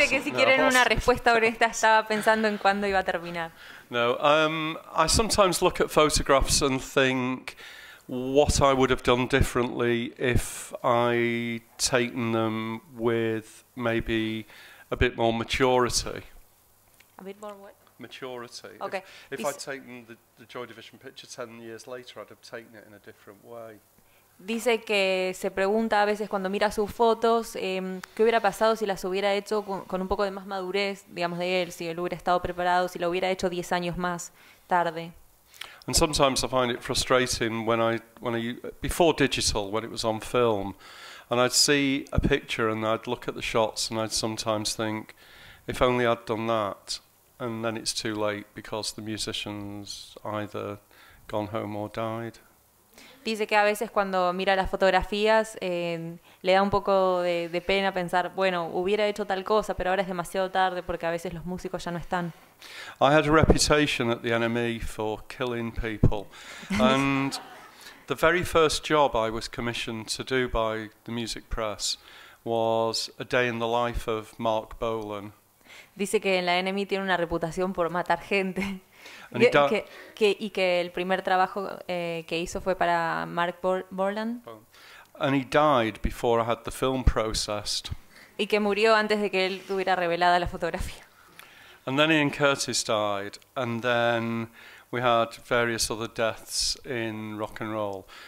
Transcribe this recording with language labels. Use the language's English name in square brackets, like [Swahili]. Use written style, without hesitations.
[Spanish] Dice que si quieren una respuesta honesta, estaba pensando en cuándo iba a terminar. [English] No, I sometimes look at photographs and think what I would have done differently if I taken them with maybe a bit more maturity. A bit more what? Maturity. Okay. If I'd taken the Joy Division picture 10 years later, I'd have taken it in a different way. [Spanish] Dice que se pregunta a veces cuando mira sus fotos qué hubiera pasado si las hubiera hecho con un poco de más madurez, digamos, de él, si él hubiera estado preparado, si lo hubiera hecho 10 años más tarde. [English] And sometimes I find it frustrating when I before digital, when it was on film, and I'd see a picture and I'd look at the shots and I'd sometimes think, if only I'd done that, and then it's too late because the musician's either gone home or died. [Spanish] Dice que a veces cuando mira las fotografías le da un poco de pena pensar, bueno, hubiera hecho tal cosa, pero ahora es demasiado tarde porque a veces los músicos ya no están. [English] I had a reputation at the NME for killing people. And the very first job I was commissioned to do by the music press was a day in the life of Mark Bolan. [Spanish] Dice que en la NME tiene una reputación por matar gente. Y que el primer trabajo que hizo fue para Mark Borland. [English] And he died before I had the film processed. [Spanish] Y que murió antes de que él tuviera revelada la fotografía. [English] And then Ian Curtis died, and then we had various other deaths in rock and roll.